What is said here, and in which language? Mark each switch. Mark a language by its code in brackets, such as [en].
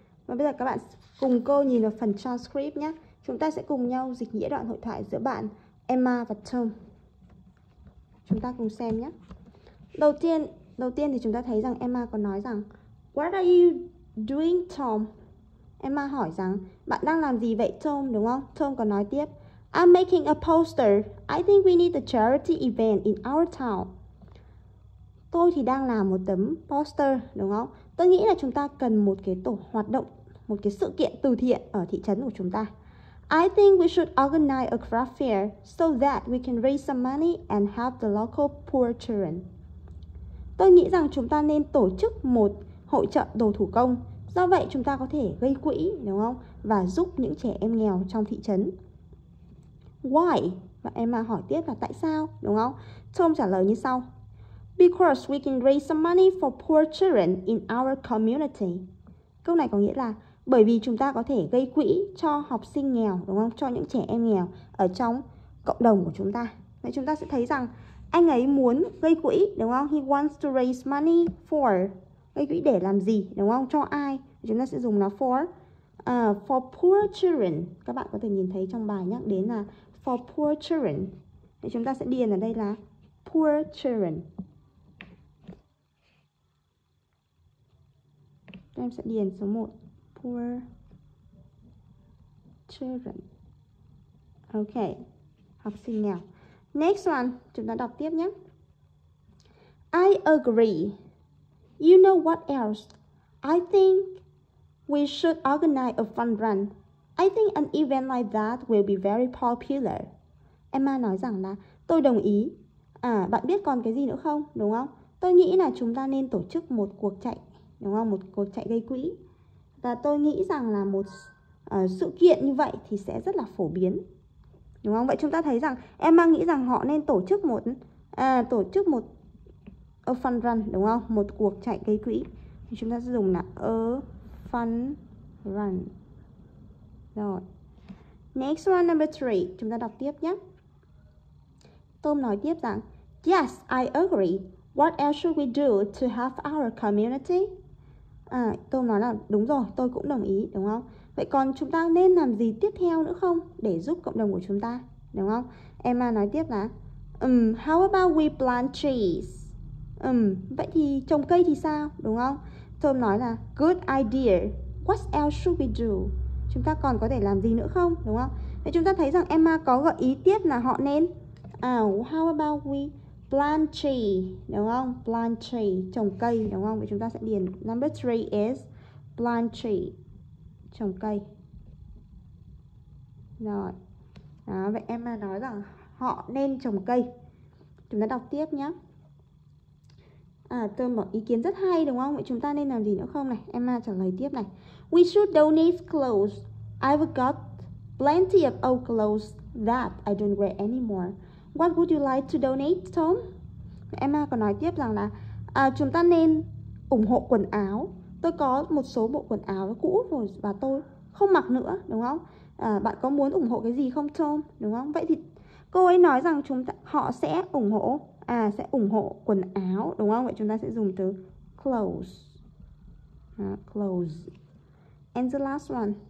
[vi] Và bây giờ các bạn cùng cô nhìn vào phần transcript nhé. Chúng ta sẽ cùng nhau dịch nghĩa đoạn hội thoại giữa bạn Emma và Tom. Chúng ta cùng xem nhé. Đầu tiên thì chúng ta thấy rằng Emma có nói rằng [en] What are you doing, Tom? [vi] Emma hỏi rằng bạn đang làm gì vậy, Tom, đúng không? Tom còn nói tiếp [en] I'm making a poster. I think we need a charity event in our town. [vi] Tôi thì đang làm một tấm poster, đúng không? Tôi nghĩ là chúng ta cần một cái tổ hoạt động, một cái sự kiện từ thiện ở thị trấn của chúng ta. [en] I think we should organize a craft fair so that we can raise some money and help the local poor children. [vi] Tôi nghĩ rằng chúng ta nên tổ chức một hội chợ đồ thủ công. Do vậy chúng ta có thể gây quỹ, đúng không? Và giúp những trẻ em nghèo trong thị trấn. [en] Why? [vi] Và Emma hỏi tiếp là tại sao, đúng không? Tom trả lời như sau. [en] Because we can raise some money for poor children in our community. [vi] Câu này có nghĩa là bởi vì chúng ta có thể gây quỹ cho học sinh nghèo, đúng không? Cho những trẻ em nghèo ở trong cộng đồng của chúng ta. Vậy chúng ta sẽ thấy rằng anh ấy muốn gây quỹ, đúng không? [en] He wants to raise money for. [vi] Gây quỹ để làm gì, đúng không? Cho ai? Chúng ta sẽ dùng là [en] for poor children. [vi] Các bạn có thể nhìn thấy trong bài nhắc đến là [en] for poor children. [vi] Vậy chúng ta sẽ điền ở đây là [en] poor children. [vi] Em sẽ điền số 1 [en] poor children. [vi] Ok, học sinh nghèo. [en] Next one, [vi] chúng ta đọc tiếp nhé. [en] I agree. You know what else? I think we should organize a fun run. I think an event like that will be very popular. [vi] Emma nói rằng là tôi đồng ý. À, bạn biết còn cái gì nữa không? Đúng không? Tôi nghĩ là chúng ta nên tổ chức một cuộc chạy, đúng không? Một cuộc chạy gây quỹ. Và tôi nghĩ rằng là một sự kiện như vậy thì sẽ rất là phổ biến. Đúng không? Vậy chúng ta thấy rằng Emma nghĩ rằng họ nên tổ chức một a fun run, đúng không? Một cuộc chạy gây quỹ. Thì chúng ta sẽ dùng là a fun run. Rồi. [en] Next one, number 3. [vi] Chúng ta đọc tiếp nhé. Tom nói tiếp rằng [en] Yes, I agree. What else should we do to help our community? [vi] À, tôi nói là đúng rồi, tôi cũng đồng ý, đúng không? Vậy còn chúng ta nên làm gì tiếp theo nữa không để giúp cộng đồng của chúng ta, đúng không? Emma nói tiếp là [en] how about we plant trees? [vi] Vậy thì trồng cây thì sao, đúng không? Tom nói là [en] good idea. What else should we do? [vi] Chúng ta còn có thể làm gì nữa không, đúng không? Vậy chúng ta thấy rằng Emma có gợi ý tiếp là họ nên [en] how about we plant tree, [vi] đúng không? Plant tree, trồng cây, đúng không? Vậy chúng ta sẽ điền [en] number 3 is plant tree, [vi] trồng cây. Rồi. Đó, vậy Emma nói rằng họ nên trồng cây. Chúng ta đọc tiếp nhé. À, tôi một ý kiến rất hay, đúng không? Vậy chúng ta nên làm gì nữa không này? Emma trả lời tiếp này. [en] We should donate clothes. I've got plenty of old clothes that I don't wear anymore. What would you like to donate, Tom? [vi] Emma còn nói tiếp rằng là chúng ta nên ủng hộ quần áo. Tôi có một số bộ quần áo cũ rồi và tôi không mặc nữa, đúng không? Bạn có muốn ủng hộ cái gì không, Tom? Đúng không? Vậy thì cô ấy nói rằng chúng ta họ sẽ ủng hộ quần áo, đúng không? Vậy chúng ta sẽ dùng từ clothes. Clothes. [en] And the last one.